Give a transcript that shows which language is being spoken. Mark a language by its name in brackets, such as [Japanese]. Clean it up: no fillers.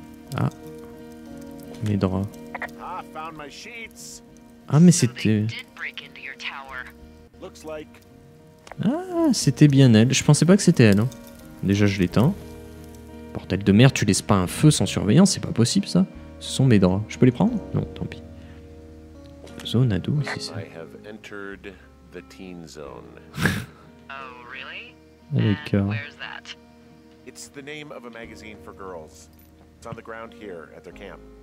[French] Shh. Ah. Mes draps. [English] Ah, found my sheets. [French] Ah mais c'était. [English] They did break into your tower. Looks like. [French] Ah, c'était bien elle. Je pensais pas que c'était elle. Hein. Déjà, je l'éteins. Bordel de merde, tu laisses pas un feu sans surveillance, c'est pas possible ça. Ce sont mes draps. Je peux les prendre? Non, tant pis. Zone ado, c'est ça. [English] I have entered the teen zone. Oh, really? [French] D'accord. [English] Where's that? It's the name of a magazine for girls. It's on the ground here at their camp.